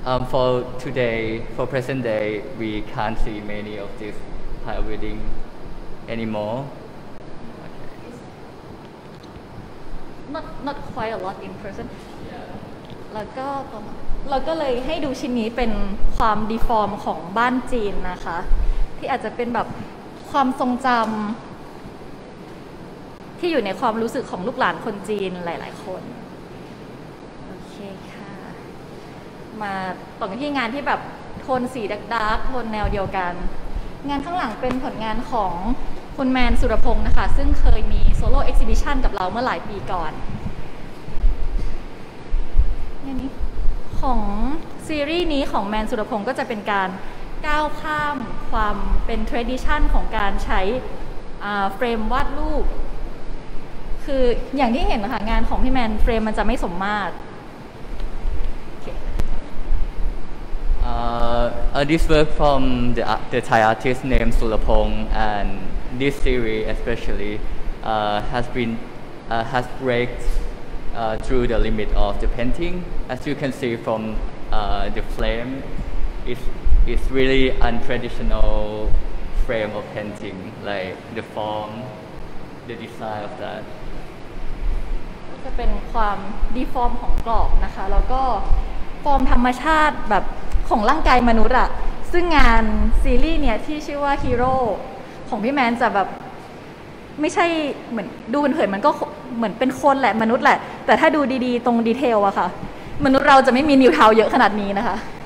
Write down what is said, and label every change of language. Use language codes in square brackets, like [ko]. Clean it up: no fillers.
[en] for today, for present day, we can't see many of this high building anymore. Okay. Not quite a lot in person. Yeah. [th] แล้วก็เลยให้ดูชิ้นนี้เป็นความดีฟอร์มของบ้านจีนนะคะที่อาจจะเป็นแบบความทรงจำที่อยู่ในความรู้สึกของลูกหลานคนจีนหลายๆคนโอเคค่ะมาต่อที่งานที่แบบโทนสีดาร์กๆโทนแนวเดียวกันงานข้างหลังเป็นผลงานของคุณแมนสุรพงศ์นะคะซึ่งเคยมีโซโล่เอ็กซิบิชันกับเราเมื่อหลายปีก่อน งานนี้ของซีรีส์นี้ของแมนสุรพงศ์ก็จะเป็นการก้าวข้ามความเป็นทรดิชันของการใช้เฟรมวาดรูปคืออย่างที่เห็นนะคะงานของพี่แมนเฟรมมันจะไม่สมมาตร okay. This work from the Thai artist named Sulapong and this series especially has break through the limit of the painting as you can see from the flame it's really untraditional frame of painting like the form the design of that จะเป็นความดีฟอร์มของกรอบนะคะแล้วก็ฟอร์มธรรมชาติแบบของร่างกายมนุษย์อะซึ่งงานซีรีส์เนี่ยที่ชื่อว่าฮีโร่ของพี่แมนจะแบบไม่ใช่เหมือนดูเผินๆมันก็เหมือนเป็นคนแหละมนุษย์แหละแต่ถ้าดูดีๆตรงดีเทลอะค่ะมนุษย์เราจะไม่มีนิ้วเท้าเยอะขนาดนี้นะคะ